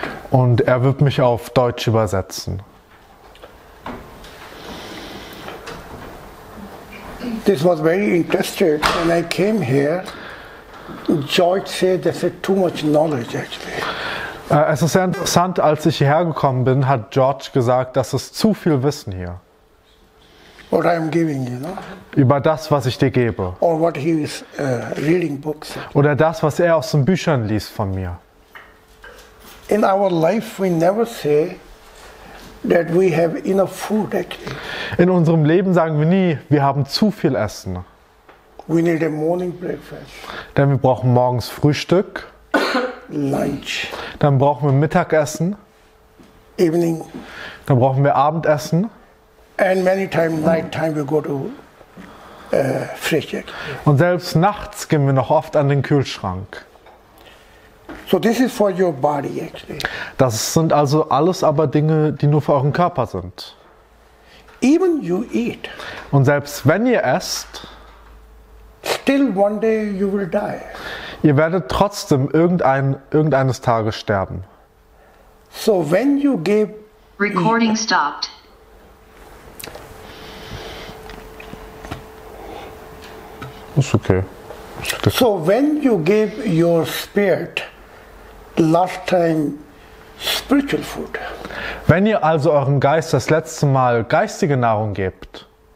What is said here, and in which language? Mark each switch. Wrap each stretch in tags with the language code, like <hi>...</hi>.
<de>Und er wird mich auf Deutsch übersetzen.</de> <en>This was very interesting. When I came here, George said that's too much knowledge actually.</en> <de>Es ist sehr interessant, als ich hierher gekommen bin, hat George gesagt, das ist zu viel Wissen hier.</de> <en>What I'm giving you, no?</en> <de>Über das, was ich dir gebe.</de> <en>Or what he is, reading books.</en> <de>Oder das, was er aus den Büchern liest von mir.</de> <en>In our life we never say that we have enough food actually.</en> <de>In unserem Leben sagen wir nie, wir haben zu viel Essen.</de> <en>We need a morning breakfast.</en> <de>Denn wir brauchen morgens Frühstück.</de> <en>Lunch.</en> <de>Dann brauchen wir Mittagessen.</de> <en>Evening.</en> <de>Dann brauchen wir Abendessen.</de> <en>And many times night time we go to</en> <de>Frühstück. Und selbst nachts gehen wir noch oft an den Kühlschrank.</de> <en>So this is for your body actually.</en> <de>Das sind also alles aber Dinge, die nur für euren Körper sind.</de> <en>Even you eat.</en> <de>Und selbst wenn ihr esst,</de> <en>still one day you will die.</en> <de>Ihr werdet trotzdem irgendeines Tages sterben.</de> <en>So when you give recording stopped.</en> <de>Das ist okay.</de> <en>So when you give your spirit last time spiritual food.</en> <de>Wenn ihr also eurem Geist das letzte Mal geistige Nahrung gebt.</de>